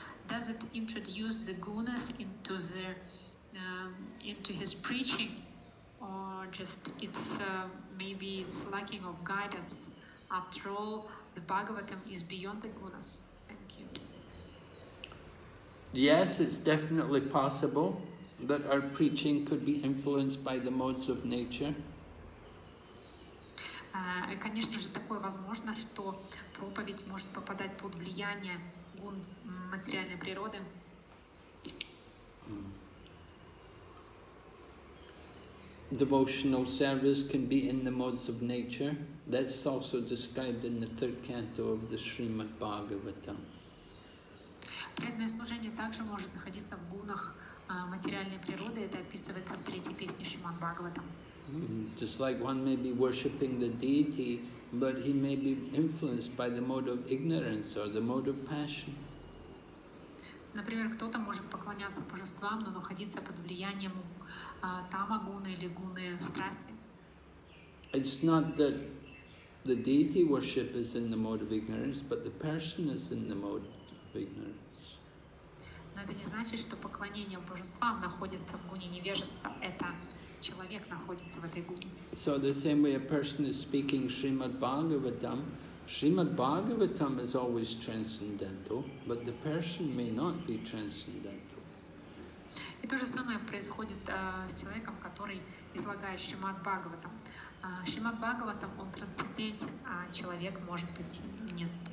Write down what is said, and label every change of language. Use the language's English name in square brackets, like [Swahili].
[English] Does it introduce the gunas into the into his preaching, or just it's maybe it's lacking of guidance? After all, the Bhagavatam is beyond the gunas. Thank you. Yes, it's definitely possible that our preaching could be influenced by the modes of nature. [Russian] Конечно же, такое возможно, что проповедь может попадать под влияние гун материальной природы. [English] Devotional service can be in the modes of nature. That's also described in the third canto of the Srimad Bhagavatam. [Russian] Преданное служение также может находиться в гунах материальной природы. Это описывается в третьей песне Шримад Бхагаватам. [English] Just like one may be worshipping the deity, but he may be influenced by the mode of ignorance or the mode of passion. [Russian] Например, кто-то может поклоняться божествам, но находиться под влиянием тамагуны или гуны страсти. [English] It's not that the deity worship is in the mode of ignorance, but the person is in the mode of ignorance. [Russian] Но это не значит, что поклонение божествам находится в гуне невежества. Это человек находится в этой гуне. [English] So the same way a person is speaking Srimad Bhagavatam, Srimad Bhagavatam is always transcendental, but the person may not be transcendental. [Russian] И то же самое происходит с человеком, который излагает Шримад Бхагаватам. Шримад Бхагаватам, он трансцендентен, а человек может быть нет.